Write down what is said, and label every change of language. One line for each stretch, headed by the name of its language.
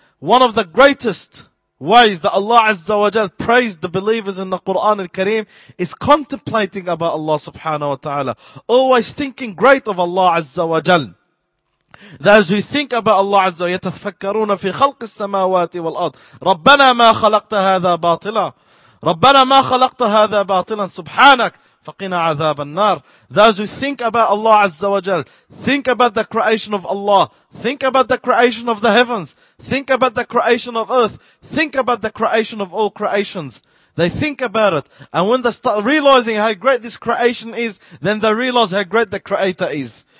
English: One of the greatest ways that Allah Azza wa Jal praised the believers in the Quran al-Kareem is contemplating about Allah Subhanahu wa Ta'ala. Always thinking great of Allah Azza wa Jal. Those who think about Allah Azza wa Jal,
Arabic: يتفكرون في خلق السماوات والأرض. ربنا ما خلقت هذا باطلا. ربنا ما خلقت هذا باطلا سبحانك. فَقِنَا عَذَابَ النَّارِ.
English: Those who think about Allah Azza wa Jal, think about the creation of Allah, think about the creation of the heavens, think about the creation of earth, think about the creation of all creations. They think about it. And when they start realizing how great this creation is, then they realize how great the Creator is.